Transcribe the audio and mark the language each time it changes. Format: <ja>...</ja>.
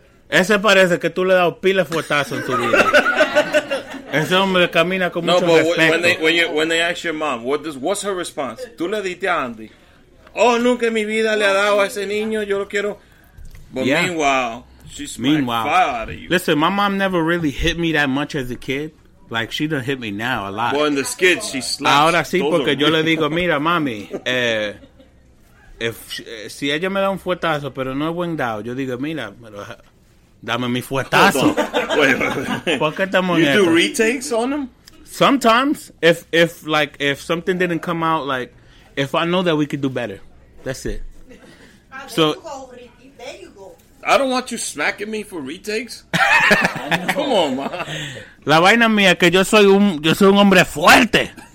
<es>Ese parece que tú le has dado pila fuertazo en tu vida. Ese hombre camina con no, mucho respeto.</es> <en>When they ask your mom, what's her response?</en> <es>Tú le diste a Andy. Oh, nunca en mi vida le ha dado a ese niño, yo lo quiero.</es> <en>But yeah. Meanwhile, she smacked fire out of you. Listen, my mom never really hit me that much as a kid. Like, she done hit me now a lot. Well, in the skits, she slaps.</en> <es>Ahora sí, porque yo le digo, mira, mami, if si ella me da un fuetazo, pero no es buen dado, yo digo, mira, pero, dame mi fuetazo.</es> <en>Wait. You do retakes on them? Sometimes. If something didn't come out, like, if I know that we could do better, that's it. So, I don't want you smacking me for retakes. Come on, man.</en> <es>La vaina mía que yo soy un hombre fuerte.</es>